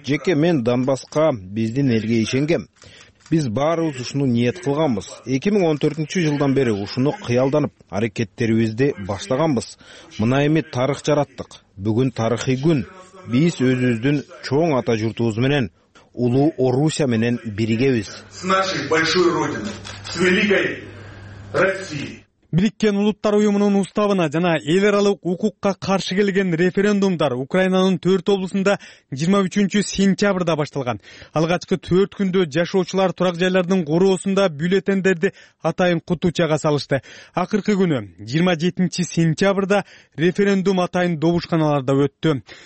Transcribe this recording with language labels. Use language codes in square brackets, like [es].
[ky] Жеке мен Донбасска биздин элге ишенгем. Биз баарыбыз ушуну ниет кылганбыз. 2014-жылдан бери ушуну кыялданып, аракеттерибизди баштаганбыз. Мына эми тарых жараттык. Бүгүн тарыхый күн. биз өзүбүздүн чоң ата журтубуз менен улуу Орусия менен биригебиз. [ru] С нашей большой родиной, с великой Россией. [ky] Бириккен улуттар уюмунун уставына жана эл аралык укукка каршы келген референдумдар Украинанын 4 облусунда 23 сентябрда башталган. Алгачкы 4 күндө жашоочулар турак жайлардын короосунда бюллетендерди атайын кутучага салышты. Акыркы күнү 27 сентябрда референдум атайын добушканаларда өттү.